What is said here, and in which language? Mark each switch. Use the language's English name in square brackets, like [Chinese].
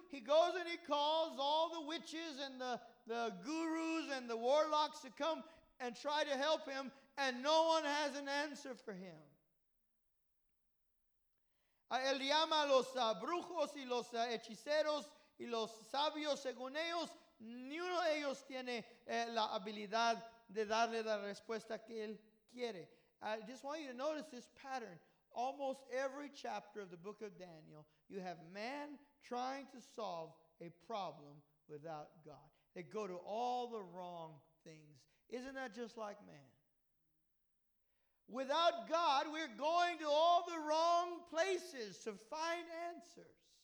[English] He goes and he calls all the witches and the gurus and the warlocks to come and try to help him, and no one has an answer for him. [Spanish] Él llama a los brujos y los hechiceros y los sabios, según ellos, ni uno de ellos tiene la habilidad de darle la respuesta que él quiere. [English] I just want you to notice this pattern. Almost every chapter of the book of Daniel, you have man trying to solve a problem without God. They go to all the wrong things. Isn't that just like man? Without God, we're going to all the wrong places to find answers.